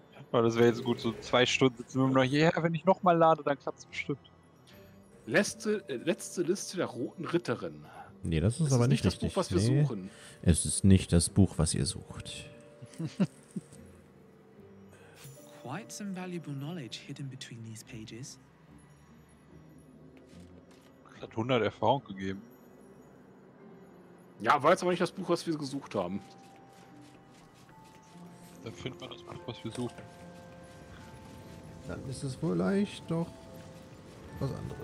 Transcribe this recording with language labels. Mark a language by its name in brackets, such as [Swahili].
[German] Aber das wäre jetzt gut, so 2 Stunden sitzen wir noch. Ja, wenn ich nochmal lade, dann klappt es bestimmt. Letzte Liste der Roten Ritterin. Nee, das ist aber nicht richtig. Das Buch, was wir suchen. Es ist nicht das Buch, was ihr sucht. [English] quite some valuable knowledge hidden between these pages. [German] Das hat 100 Erfahrung gegeben. Ja, war jetzt aber nicht das Buch, was wir gesucht haben. Dann findet man das Buch, was wir suchen. Dann ist es vielleicht doch was anderes.